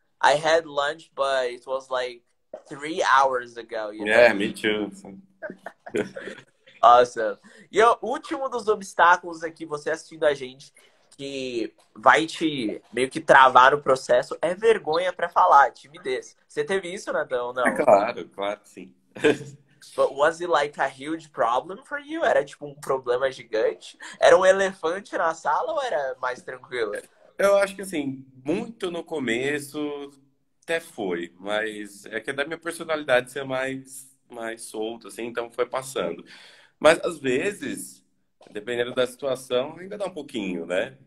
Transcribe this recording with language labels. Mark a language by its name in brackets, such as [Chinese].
[English] I had lunch, but it was like 3 hours ago, you know? Yeah, me too. Awesome. [Portuguese] E ó, último dos obstáculos aqui, você assistindo a gente, que vai te meio que travar o processo, é vergonha pra falar, timidez. Você teve isso, Natão, ou não? Claro, claro que sim. [English] But was it like a huge problem for you? [Portuguese] Era tipo um problema gigante? Era um elefante na sala ou era mais tranquilo? Eu acho que assim, muito no começo até foi, mas é que é da minha personalidade ser mais solto, assim, então foi passando. Mas às vezes, dependendo da situação, ainda dá um pouquinho, né?